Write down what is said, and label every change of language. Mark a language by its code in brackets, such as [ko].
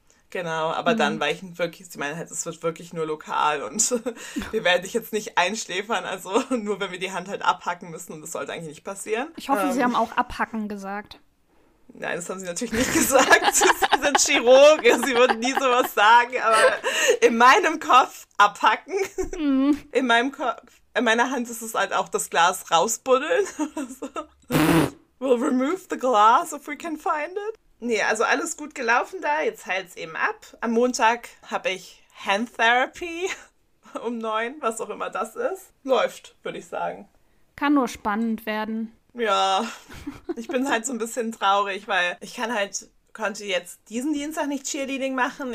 [de] Genau, aber dann war ich wirklich, sie meinen halt, es wird wirklich nur lokal und wir werden dich jetzt nicht einschläfern, also nur wenn wir die Hand halt abhacken müssen und das sollte eigentlich nicht passieren. Ich hoffe, Sie haben auch abhacken gesagt. Nein, das haben sie natürlich nicht gesagt. Sie sind Chirurgen, sie würden nie sowas sagen, aber in meinem Kopf abhacken, in meinem Kopf, in meiner Hand ist es halt auch das Glas rausbuddeln. [en] We'll remove the glass if we can find it. [de] Nee, also alles gut gelaufen da. Jetzt heilt es eben ab. Am Montag habe ich Hand Therapy um 9, was auch immer das ist. Läuft, würde ich sagen. Kann nur spannend werden. Ja, ich bin halt so ein bisschen traurig, weil ich konnte jetzt diesen Dienstag nicht Cheerleading machen.